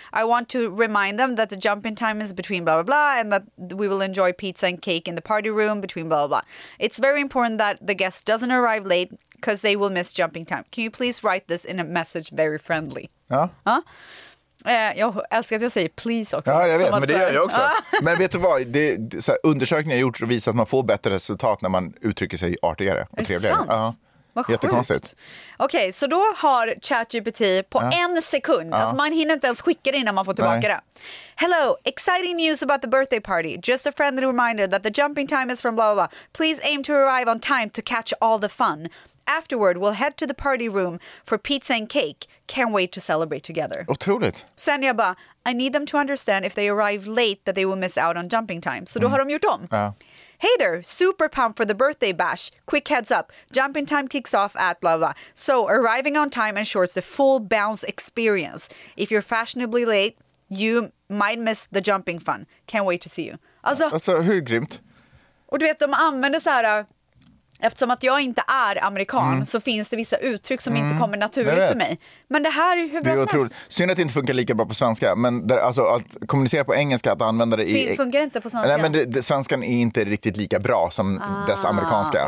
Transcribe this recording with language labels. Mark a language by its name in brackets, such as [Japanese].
[English] I want to remind them that the jump-in time is between blah, blah, blah, and that we will enjoy pizza and cake in the party room between blah, blah, blah. It's very important that the guest doesn't arrive late because they will miss jumping time. Can you please write this in a message very friendly? [Swedish] Ja. Jag älskar att jag säger please också. Ja, jag vet, men det gör jag också. Men vet du vad? Undersökningar har gjort visar att man får bättre resultat när man uttrycker sig artigare och trevligare. Är det sant? Jättekonstigt. Okej, så då har ChatGPT på en sekund. Ja. Alltså man hinner inte ens skicka det innan man får tillbaka det. [English] Hello, exciting news about the birthday party. Just a friendly reminder that the jumping time is from blah, blah, blah. Please aim to arrive on time to catch all the fun. Afterward, we'll head to the party room for pizza and cake. Can't wait to celebrate together. [Swedish] Otroligt. Sen jag bara, [English] I need them to understand if they arrive late that they will miss out on jumping time. [Swedish] Så då har de gjort om. Ja. [English] Hey there, super pumped for the birthday bash. Quick heads up, jumping time kicks off at blah, blah. So arriving on time ensures the full bounce experience. If you're fashionably late, you might miss the jumping fun. Can't wait to see you. [Swedish] Alltså hur grymt. Och du vet, de använder så här, eftersom att jag inte är amerikan så finns det vissa uttryck som inte kommer naturligt för mig. Men det här är ju hur bra som helst. Synd att det inte funkar lika bra på svenska. Men där, alltså, att kommunicera på engelska, att använda det funkar inte på svenska. Nej, men svenskan är inte riktigt lika bra som dess amerikanska.